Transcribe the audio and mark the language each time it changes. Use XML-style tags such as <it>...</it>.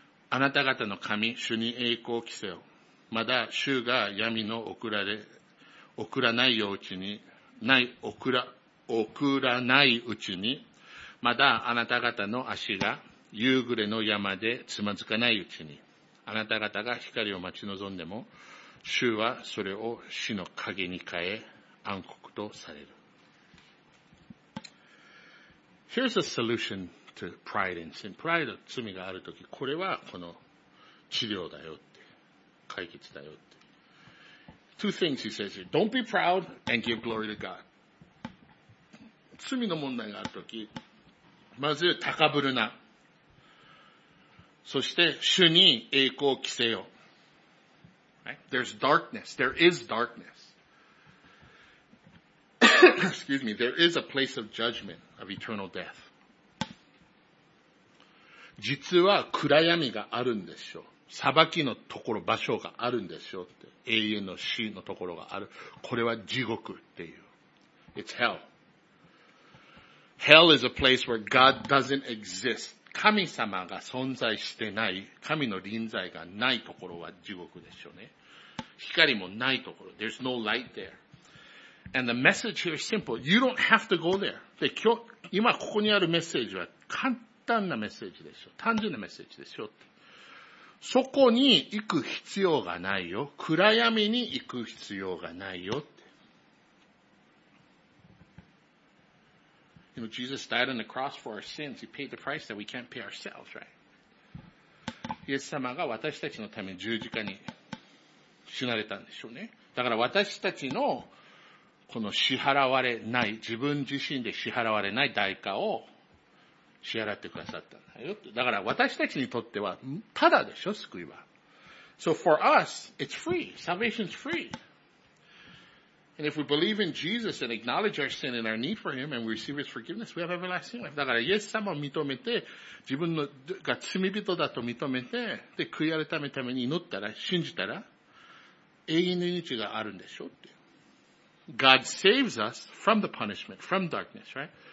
<ja>あなた方の神、主に栄光を着せよ。まだ主が闇の送らないうちに、まだあなた方の足が夕暮れの山でつまずかないうちに、あなた方が光を待ち望んでも、主はそれを死の影に変え、暗黒とされる。</ja> <en>Here's a solution. To pride and sin.</en> <ja>Pride, 罪があるとき、これはこの治療だよって、解決だよって。</ja> <en>Two things he says here. Don't be proud and give glory to God.</en> <ja>罪の問題があるとき、まず高ぶるな。そして主に栄光を着せよ。</ja> <en>Right? There's darkness. There is darkness. Excuse me. There is a place of judgment, of eternal death.</en> <ja>実は暗闇があるんでしょう。裁きのところ、場所があるんでしょうって。永遠の死のところがある。これは地獄っていう。</ja> <en>It's hell. Hell is a place where God doesn't exist.</en> <ja>神様が存在してない、神の臨在がないところは地獄でしょうね。光もないところ。</ja> <en>There's no light there. And the message here is simple. You don't have to go there.</en> <ja>で、今ここにあるメッセージは、簡単なメッセージでしょ。単純なメッセージでしょって。そこに行く必要がないよ。暗闇に行く必要がないよって。</ja> <en>You know, Jesus died on the cross for our sins. He paid the price that we can't pay ourselves, right?</en> <ja>イエス様が私たちのために十字架に死なれたんでしょうね。だから私たちのこの支払われない、自分自身で支払われない代価を支払ってくださったんだよ。だから私たちにとっては、ただでしょ、救いは。</ja> <en>So for us, it's free. Salvation's free. And if we believe in Jesus and acknowledge our sin and our need for Him and we receive His forgiveness, we have everlasting life.</en> <ja>だからイエス様を認めて、自分のが罪人だと認めて、で、悔い改めるために祈ったら、信じたら、永遠の命があるんでしょって。</ja> <en>God saves us from the punishment, from darkness, right?</en>